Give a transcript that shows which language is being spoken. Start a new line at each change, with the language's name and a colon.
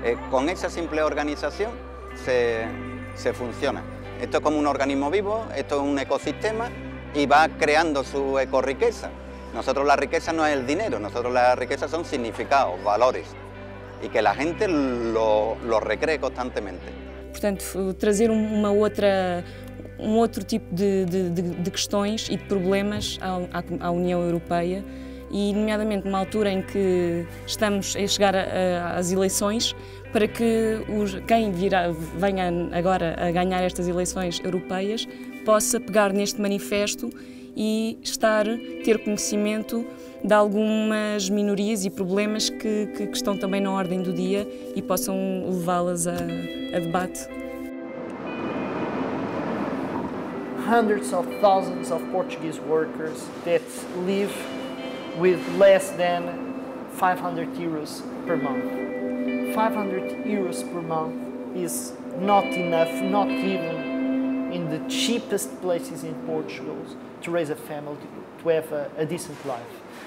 Spanish: Con esa simple organización se funciona. Esto es como un organismo vivo, esto es un ecosistema y va creando su ecorriqueza. Nosotros la riqueza no es el dinero, nosotros la riqueza son significados, valores, y que la gente lo recree constantemente.
Portuguese: Portanto, trazer uma outra, um outro tipo de questões e de problemas à União Europeia, e nomeadamente numa altura em que estamos a chegar às eleições, para que quem venha agora a ganhar estas eleições europeias possa pegar neste manifesto e ter conhecimento de algumas minorias e problemas que estão também na ordem do dia e possam levá-las a debate.
English: Hundreds of thousands of Portuguese workers that live with less than 500 euros per month. 500 euros per month is not enough, not even in the cheapest places in Portugal, to raise a family, to have a decent life.